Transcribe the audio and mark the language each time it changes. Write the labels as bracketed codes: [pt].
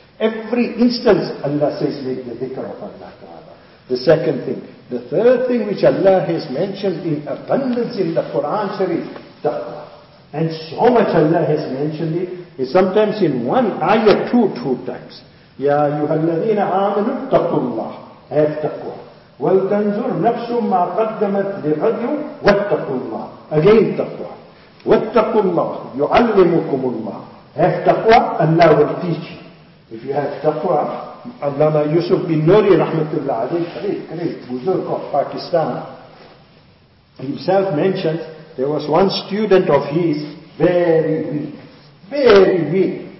[en] Every instance Allah says, make the zikr of Allah Ta'ala. The second thing. The third thing which Allah has mentioned in abundance in the Quran Sharif, taqwa. And so much Allah has mentioned it, is sometimes in one ayah, two times. [ar] Ya ayyuhalladhina amanu taqullah. [en] Have taqwa. [ar] وَلْتَنْزُرْ نَفْسٌ مَّا قَدَّمَتْ لِغَدٍ وَاتَّقُوا اللَّهَ [en] Again taqwa. [ar] وَاتَّقُوا اللَّهَ يُعَلِّمُكُمُ اللَّهَ [en] Have taqwa, Allah will teach you. If you have taqwa, Allama Yusuf bin Nuri rahmatullah alayhi, great buzurg of Pakistan, himself mentioned there was one student of his, very weak, very weak.